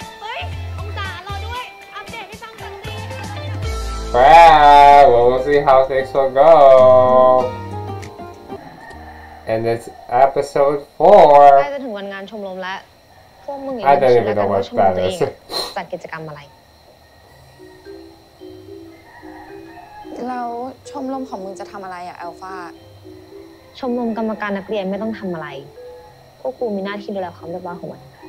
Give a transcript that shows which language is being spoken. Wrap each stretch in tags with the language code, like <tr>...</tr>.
<th>เฮ้ยองศารอด้วยอัปเดตให้ฟัง กันดีแปลว</th> <en>well we'll see how things will goAnd it's episode 4.</en> <th>ใกล้จะถึงวันงานชมรมแล้วพวกมึง อย่าลืมแล้วกันว่าชมรมตัวเอง จัดกิจกรรมอะไร เราชมรมของมึงจะทำอะไรอ่ะแอลฟา ชมรมกรรมการนักเรียนไม่ต้องทำอะไรพวกกูมีหน้าที่ดูแลความเรียบร้อยของมัน</th>